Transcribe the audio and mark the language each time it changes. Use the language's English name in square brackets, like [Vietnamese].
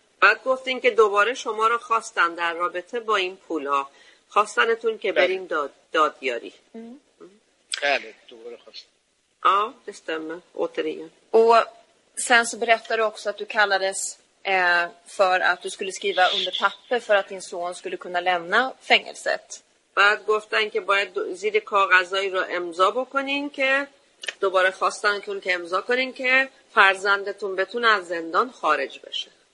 [Persian] بعد گفتین که دوباره شما رو خواستن در رابطه با این پول ها. خواستنتون که بریم دادیاری. بله، دوباره خواستن. [Swedish] آه، det stämmer. Återigen. Och sen så berättade du också att du kallades för att du skulle skriva under papper för att din son skulle kunna lämna fängelset. [Persian] بعد گفتن که باید زیر کاغذایی رو امضا بکنین که دوباره خواستن کن که امضا کنین که فرزندتون بتونه از زندان خارج بشه.